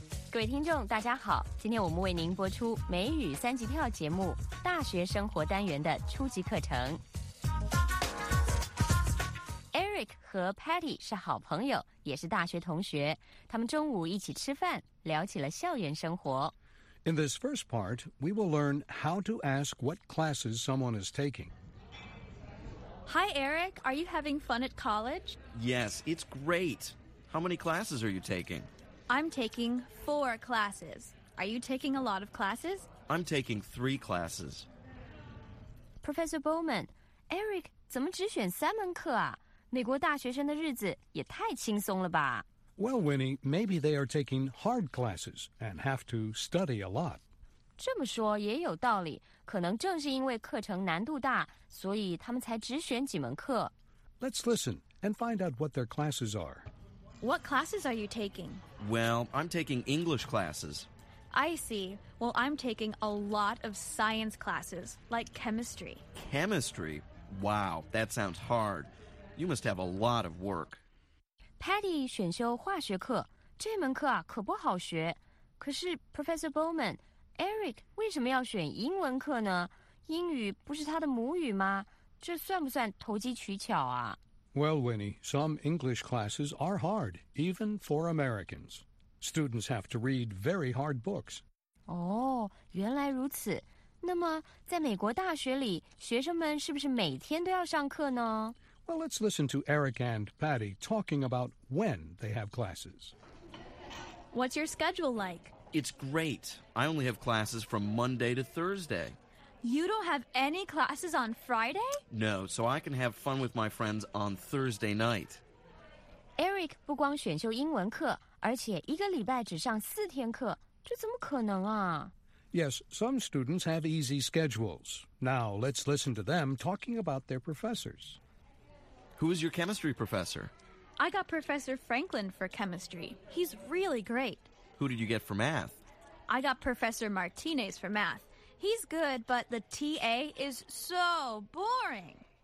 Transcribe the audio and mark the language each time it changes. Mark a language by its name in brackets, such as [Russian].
[Chinese] 各位听众，大家好，今天我们为您播出美语三级跳节目大学生活单元的初级课程。 Eric 和 Patty 是好朋友，也是大学同学。他们中午一起吃饭，聊起了校园生活。 [English] In this first part, we will learn how to ask what classes someone is taking. Hi, Eric. Are you having fun at college? Yes, it's great. How many classes are you taking? I'm taking 4 classes. Are you taking a lot of classes? I'm taking 3 classes. [Chinese] Professor Bowman, Eric 怎么只选3门课啊？美国大学生的日子也太轻松了吧。 [English] Well, Winnie, maybe they are taking hard classes and have to study a lot. [Chinese] 这么说也有道理，可能正是因为课程难度大，所以他们才只选几门课。 [English] Let's listen and find out what their classes are. What classes are you taking? Well, I'm taking English classes. I see. Well, I'm taking a lot of science classes, like chemistry. Chemistry? Wow, that sounds hard. You must have a lot of work. [Chinese] Patty 选修化学课，这门课啊可不好学。可是 Professor Bowman, Eric 为什么要选英文课呢？英语不是他的母语吗？这算不算投机取巧啊？ [English] Well, Winnie, some English classes are hard, even for Americans. Students have to read very hard books. [Chinese] 哦，原来如此。那么在美国大学里，学生们是不是每天都要上课呢？ [English] Well, let's listen to Eric and Patty talking about when they have classes. What's your schedule like? It's great. I only have classes from Monday to Thursday. You don't have any classes on Friday? No, so I can have fun with my friends on Thursday night. [Chinese] Eric 不光选修英文课，而且一个礼拜只上4天课，这怎么可能啊？ [English] Yes, some students have easy schedules. Now, let's listen to them talking about their professors. Who is your chemistry professor? I got Professor Franklin for chemistry. He's really great. Who did you get for math? I got Professor Martinez for math. He's good, but the TA is so boring.